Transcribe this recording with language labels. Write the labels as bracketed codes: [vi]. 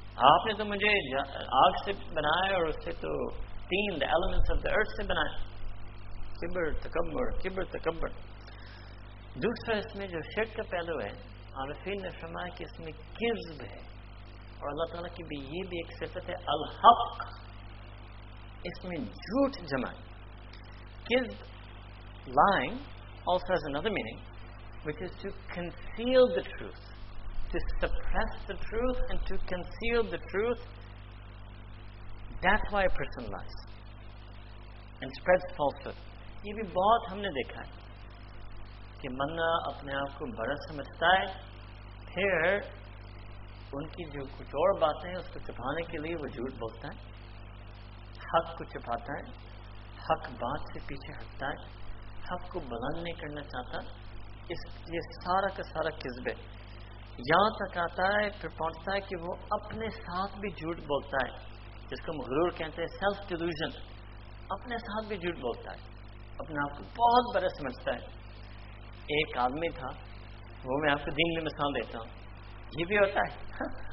[ur] آپ نے تو مجھے آگ سے بنایا اور اس سے تو تین [en] the elements of the earth [ur] سے بنایا. کبر تکبر, کبر تکبر. دوسرا اس میں جو شرک کا پہلو ہے, عارفین نے فرمایا کہ اس میں کذب ہے, اور اللہ تعالیٰ کی بھی یہ بھی ایک صفت ہے الحق, اس میں جھوٹ جمع. [en] Kizb, lying, also has another meaning, which is to conceal the truth, to suppress the truth and to conceal the truth. That's why a person lies and spreads falsehood. [ur] Ye bhi bahut humne dekha hai ki banda apne aap ko bada samajhta hai, phir unki jo kuch aur baatein hain usko chupane ke liye wo jhoot bolta hai, haq ko chupata hai, حق بات سے پیچھے ہٹتا ہے, حق کو بلند نہیں کرنا چاہتا. اس یہ سارا کا سارا کذب ہے. یہاں تک آتا ہے پھر پہنچتا ہے کہ وہ اپنے ساتھ بھی جھوٹ بولتا ہے, جس کو مغرور کہتے ہیں, سیلف ڈیلوژن. اپنے ساتھ بھی جھوٹ بولتا ہے, اپنے آپ کو بہت بڑا سمجھتا ہے. ایک آدمی تھا, وہ میں آپ کو دین میں مثال دیتا ہوں, یہ بھی ہوتا ہے.